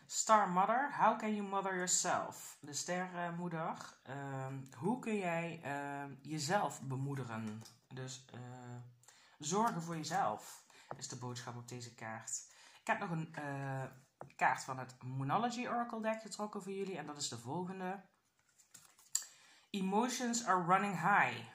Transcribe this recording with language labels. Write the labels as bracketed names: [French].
[English] Star Mother, how can you mother yourself? [Dutch] De sterrenmoeder. Hoe kun jij jezelf bemoederen? Dus zorgen voor jezelf is de boodschap op deze kaart. Ik heb nog een kaart van het Moonology Oracle Deck getrokken voor jullie. En dat is de volgende. [English] Emotions are running high.